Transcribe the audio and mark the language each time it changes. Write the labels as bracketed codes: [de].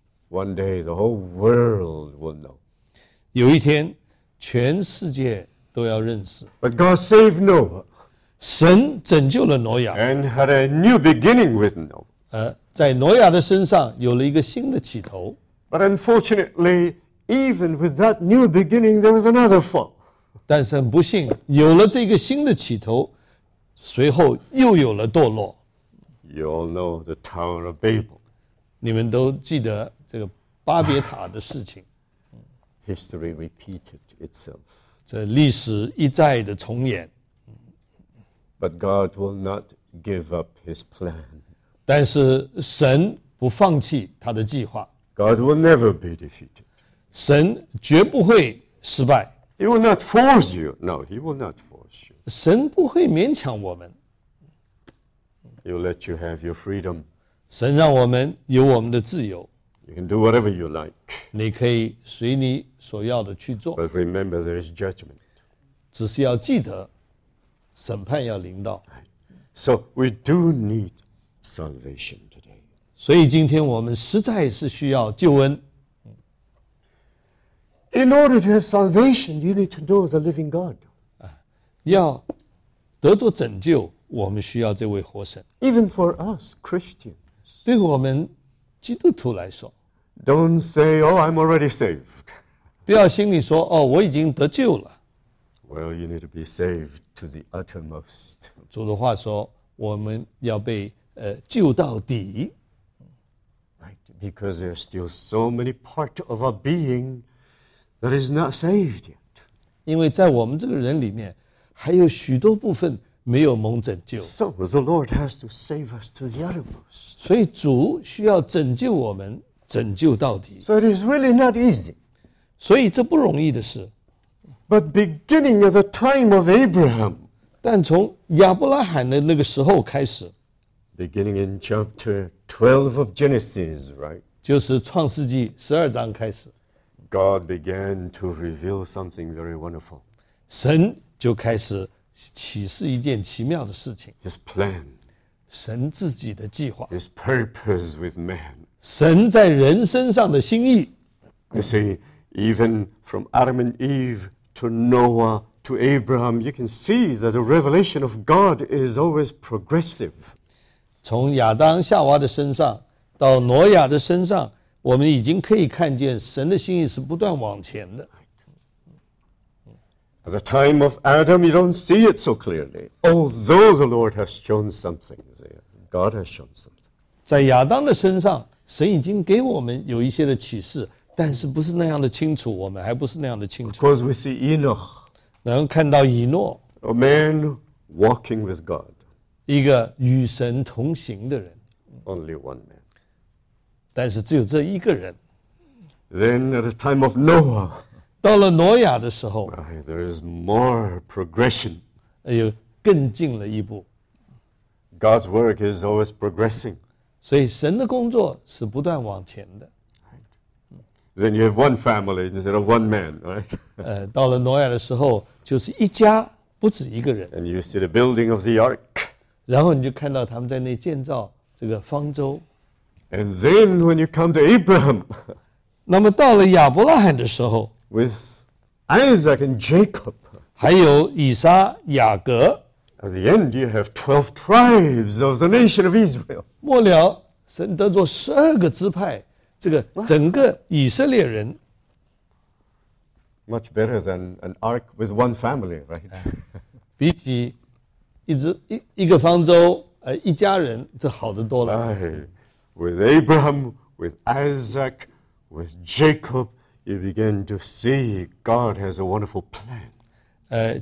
[en] One day, the whole world will know. [zh] 有一天，全世界都要认识。 [en] But God saved Noah. [zh] 神拯救了挪亚。 [en] And had a new beginning with Noah. [zh] 在挪亚的身上有了一个新的起头。 [en] But unfortunately, even with that new beginning, there was another fall. [zh] 但是很不幸，有了这个新的起头，随后又有了堕落。 [en] You all know the Tower of Babel. [zh] 你们都记得这个巴别塔的事情。 [en] History repeated itself. [zh] 这历史一再的重演。 [en] But God will not give up His plan. [zh] 但是神不放弃他的计划。 [en] God will never be defeated. [zh] 神绝不会失败。 [en] He will not force you. No, He will not force you. [zh] 神不会勉强我们。 [en] He'll let you have your freedom. [zh] 神让我们有我们的自由。 [en] You can do whatever you like. [zh] 你可以随你所要的去做。 [en] But remember, there is judgment. [zh] 只是要记得，审判要临到。 [en] So we do need salvation today. [zh] 所以今天我们实在是需要救恩。 [en] In order to have salvation, you need to know the living God. [zh] 要得着拯救。我们需要这位活神。 [en] Even for us Christians, [zh] 对我们基督徒来说 [en] ，Don't say, "Oh, I'm already saved." [zh] 不要心里说，哦，我已经得救了。 [en] Well, you need to be saved to the uttermost. [zh] 主的话说，我们要被救到底。 [en] Right, because there's still so many part of our being that is not saved yet. [zh] 因为在我们这个人里面，还有许多部分。没有蒙拯救。 [en] So the Lord has to save us to the uttermost. [zh] 所以主需要拯救我们，拯救到底。 [en] So it is really not easy. [zh] 所以这不容易的事。 [en] But beginning at the time of Abraham. [zh] 但从亚伯拉罕的那个时候开始。 [en] Beginning in chapter 12 of Genesis, right? [zh] 就是创世纪十二章开始。 [en] God began to reveal something very wonderful. [zh] 神就开始。启示一件奇妙的事情。 [en] His plan， [zh] 神自己的计划。 [en] His purpose with man， [zh] 神在人身上的心意。 [en] You see, even from Adam and Eve to Noah to Abraham, you can see that the revelation of God is always progressive. [zh] 从亚当夏娃的身上到挪亚的身上，我们已经可以看见神的心意是不断往前的。 [en] At the time of Adam, you don't see it so clearly. Although the Lord has shown something there, God has shown something. [zh] 在亚当的身上，神已经给我们有一些的启示，但是不是那样的清楚，我们还不是那样的清楚。 [en] Of course, we see Enoch. [zh] 能看到以诺。 [en] A man walking with God. [zh] 一个与神同行的人。 [en] Only one man. [zh] 但是只有这一个人。 [en] Then at the time of Noah, [zh] 到了挪亚的时候 [en] there is more progression. [zh] 又更进了一步。 [en] God's work is always progressing. [zh] 所以神的工作是不断往前的。 [en] Then you have one family instead of one man, right? [zh] 到了挪亚的时候就是一家不止一个人。 [en] And you see the building of the ark. [zh] 然后你就看到他们在那建造这个方舟。 [en] And then when you come to Abraham, [zh] 那么到了亚伯拉罕的时候 [en] with Isaac and Jacob, [zh] 还有以撒、雅各 [en] at the end you have 12 tribes of the nation of Israel. [zh] 末了神得作十二个支派这个整个以色列人 [en] much better than an ark with one family, right? [zh] 比起一个方舟一家人这好得多了。 [en] Aye, with Abraham, with Isaac, with Jacob, you begin to see God has a wonderful plan.